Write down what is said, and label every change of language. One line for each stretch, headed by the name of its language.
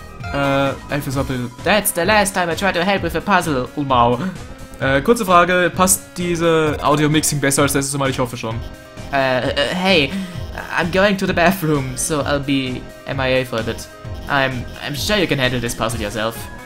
English: Elphys, that's the last time I try to help with a puzzle. Wow.
German: Kurze Frage, passt diese Audio-Mixing besser als letztes Mal? Ich hoffe schon.
English: Hey, I'm going to the bathroom, so I'll be MIA for a bit. I'm sure you can handle this puzzle yourself.